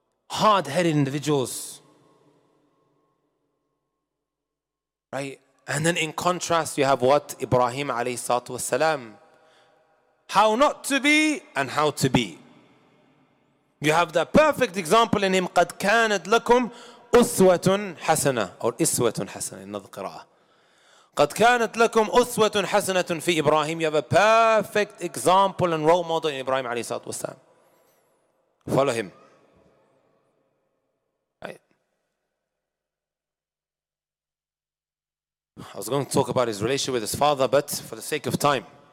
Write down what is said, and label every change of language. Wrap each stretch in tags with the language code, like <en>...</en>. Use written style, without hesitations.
<en>Hard-headed individuals. Right? And then in contrast, you have what? Ibrahim alayhi salatu wasalam. How not to be and how to be. You have that perfect example in him.</en> <ar>قَدْ كَانَتْ لَكُمْ أُسْوَةٌ حَسَنَةٌ or إِسْوَةٌ حَسَنَةٌ</ar> <en>another qira'ah.</en> <ar>قَدْ كَانَتْ لَكُمْ أُسْوَةٌ حَسَنَةٌ فِي إِبْرَاهِيمِ</ar> <en>You have a perfect example and role model in Ibrahim عليه الصلاة والسلام. Follow him. Right. I was going to talk about his relationship with his father, but for the sake of time.</en>